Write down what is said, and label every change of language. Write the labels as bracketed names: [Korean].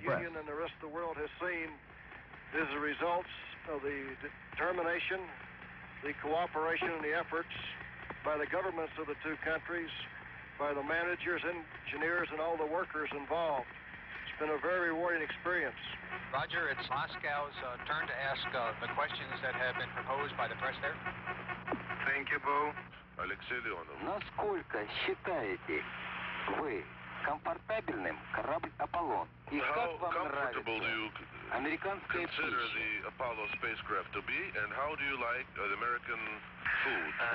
[English] The Soviet Union and the rest of the world has seen is the results of the determination, the cooperation, and the efforts by the governments of the two countries, by the managers, engineers, and all the workers involved. It's been a very rewarding experience. Roger, it's Moscow's turn to ask the questions that have been proposed by the press there. Thank you, Bo. Alexey Leonov. [Russian] Насколько считаете вы комфортабельным корабль Аполлон? И как вам нравится? [English] How comfortable do you consider the Apollo spacecraft to be, and how do you like the American food?